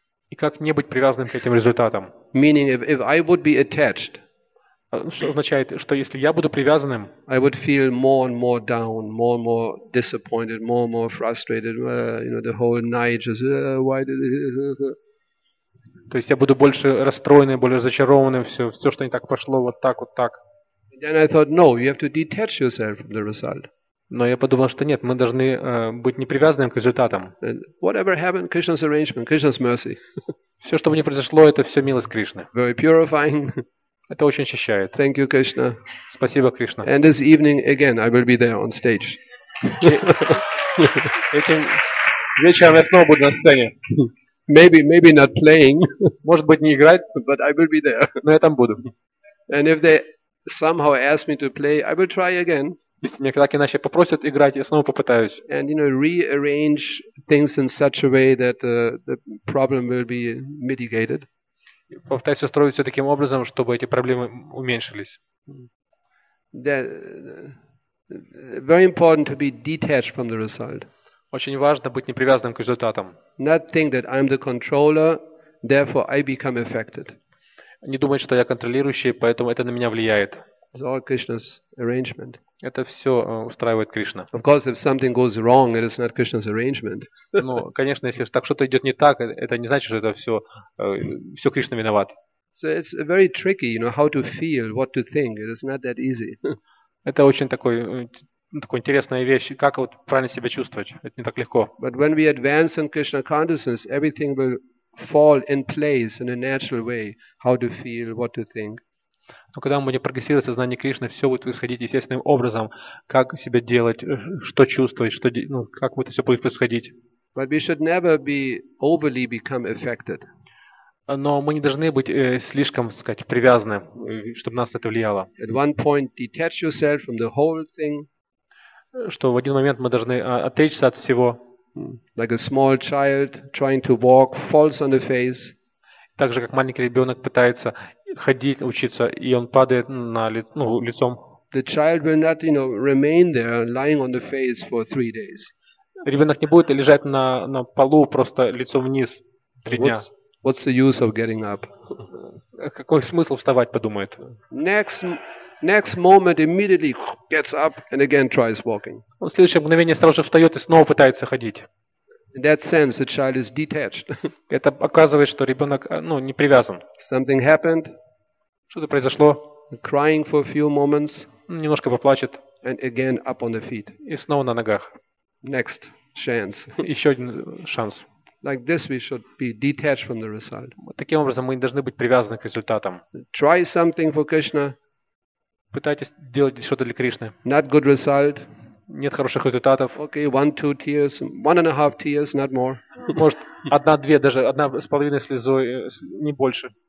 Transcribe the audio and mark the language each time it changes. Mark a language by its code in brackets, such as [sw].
[ru] И как не быть привязанным к этим результатам? [en] Meaning if I would be attached, [ru] что означает, что если я буду привязанным, [en] I would feel more and more down, more and more disappointed, more and more frustrated, you know, the whole night just why did it... [ru] То есть я буду больше расстроенным, более разочарованным, все, что не так пошло, вот так, вот так. [en] Then I thought, no, you have to detach yourself from the result. [ru] Но я подумал, что нет, мы должны быть не привязанными к результатам. [en] And whatever happened, Krishna's arrangement, Krishna's mercy. [ru] Все, что бы ни произошло, это все милость Кришны. [en] Very purifying. [ru] Это очень очищает. [en] Thank you, Krishna. [ru] Спасибо, Кришна. [en] And this evening again, I will be there on stage. [ru] Этим вечером я снова буду на сцене. [en] Maybe not playing. [ru] Может быть, не играть, [en] but I will be there. [ru] Но я там буду. [en] And if they somehow ask me to play, I will try again. [ru] Если меня так иначе попросят играть, я снова попытаюсь. [en] And you know, rearrange things in such a way that the problem will be mitigated. [ru] Попытаюсь устроить все таким образом, чтобы эти проблемы уменьшились. [en] Very important to be detached from the result. [ru] Очень важно быть непривязанным к результатам. [en] Not think that I'm the controller, therefore I become affected. [ru] Не думать, что я контролирующий, поэтому это на меня влияет. [en] It's all Krishna's arrangement. [ru] Это все устраивает Кришна. [en] Of course, if something goes wrong, it is not Krishna's arrangement. [ru] Ну, конечно, если так что-то идет не так, это не значит, что это все Кришна виноват. [en] So it's very tricky, you know, how to feel, what to think. It is not that easy. [ru] Это очень такой интересная вещь, как вот правильно себя чувствовать. Это не так легко. [en] But when we advance in Krishna consciousness, everything will fall in place in a natural way. How to feel, what to think. [ru] Но когда мы будем прогрессировать в сознании Кришны, все будет происходить естественным образом. Как себя делать, что чувствовать, что, ну, как это все будет происходить. [en] But we should never be overly become affected. [ru] Но мы не должны быть слишком, так сказать, привязаны, чтобы нас это влияло. [en] At one point detach yourself from the whole thing. [ru] Что в один момент мы должны отречься от всего. [en] Like a small child trying to walk, falls on the face. [ru] Так же, как маленький ребенок пытается ходить, учиться, и он падает на лицом. [en] The child will not, you know, remain there lying on the face for 3 days. [ru] Ребенок не будет лежать на полу просто лицом вниз 3 дня. [en] What's the use of getting up? [ru] Какой смысл вставать, подумает. [en] Next moment immediately gets up and again tries walking. [ru] Он в следующее мгновение сразу же встает и снова пытается ходить. [en] In that sense, the child is detached. [ru] Это оказывает, что ребенок, ну, не привязан. [en] Something happened. [ru] Что-то произошло. [en] Crying for a few moments. [ru] Немножко поплачет. [en] And again up on the feet. [ru] И снова на ногах. [en] Next chance. [ru] Еще один шанс. [en] Like this, we should be detached from the result. [ru] Таким образом, мы не должны быть привязаны к результатам. [en] Try something for Krishna. [ru] Пытайтесь делать что-то для Кришны. [en] Not good result. [ru] Нет хороших результатов. [en] Okay, 1-2 tears, 1.5 tears, not more. [ru] Может, 1-2, даже 1.5 слезой, не больше.